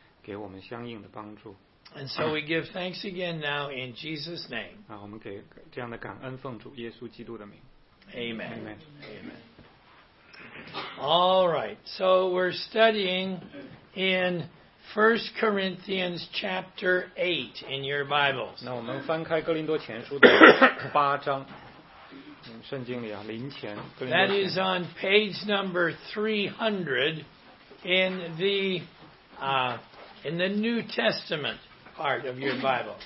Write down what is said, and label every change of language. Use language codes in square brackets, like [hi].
[en] And so we give thanks again now in Jesus' name. Amen. Amen. Amen. All right. So we're studying in 1 Corinthians chapter 8 in your Bibles. [zh] 那我们翻开哥林多前书的八章。 [en] That is on page number 300 in the New Testament part of your Bible.